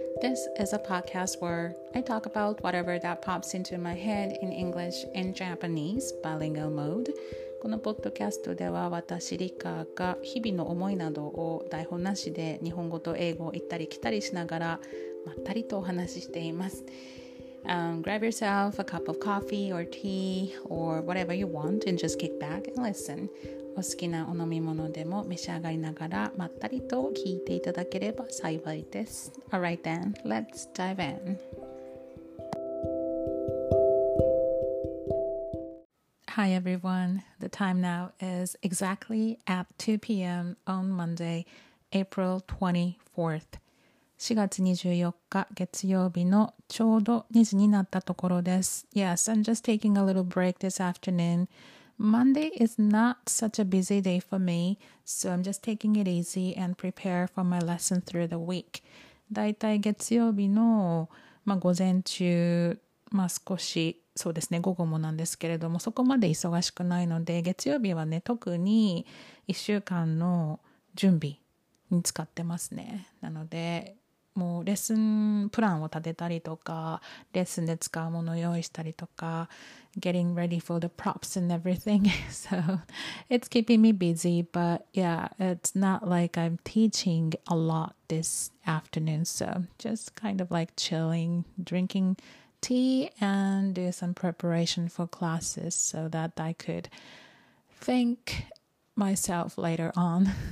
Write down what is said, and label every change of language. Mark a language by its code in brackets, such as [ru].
[en] This is a podcast where I talk about whatever that pops into my head in English and Japanese, bilingual mode. [ja] このポッドキャストでは私、Rika が日々の思いなどを台本なしで日本語と英語を行ったり来たりしながらまったりとお話ししています。 [en] Grab yourself a cup of coffee or tea or whatever you want and just kick back and listen. [ja] お好きなお飲み物でも召し上がりながらまったりと聞いていただければ幸いです。 [en] Alright then, let's dive in. Hi everyone, the time now is exactly at 2 p.m. on Monday, April 24th. [ja] 4月24日月曜日のちょうど2時になったところです。 [en] Yes, I'm just taking a little break this afternoon. Monday is not such a busy day for me, so I'm just taking it easy and prepare for my lesson through the week. [ja] だいたい月曜日の、午前中、少しそうですね、午後もなんですけれども、そこまで忙しくないので、月曜日はね、特に1週間の準備。に使ってますね。なのでもうレッスンプランを立てたりとかレッスンで使うものを用意したりとか [en] getting ready for the props and everything so it's keeping me busy but yeah it's not like I'm teaching a lot this afternoon so just kind of like chilling drinking tea and do some preparation for classes so that I could thank myself later on